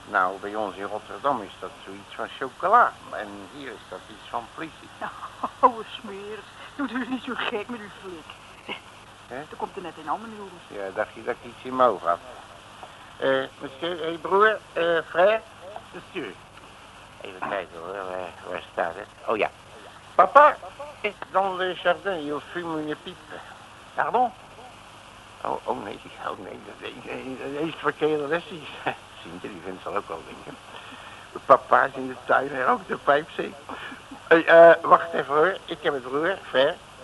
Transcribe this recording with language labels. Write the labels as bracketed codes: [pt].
[nl] Nou, bij ons in Rotterdam is dat zoiets van chocola. En hier is dat iets van politie. Nou, oude smeers. Doet u niet zo gek met uw flik. Er komt er net een ander, meneer Loeres. Ja, dacht je dat ik iets in mijn ogen had. Monsieur, hey broer, frère, monsieur. Even kijken hoor, waar staat het? Oh ja. [fr] Papa is dans le jardin, il fume une pipe. [nl] Pardon? Oh nee, dat is verkeerde lessie. Sintje, die vindt zal ook wel denken. Papa is in de tuin, hij rookt de pijp, zie. Wacht even hoor, ik heb het broer, frère.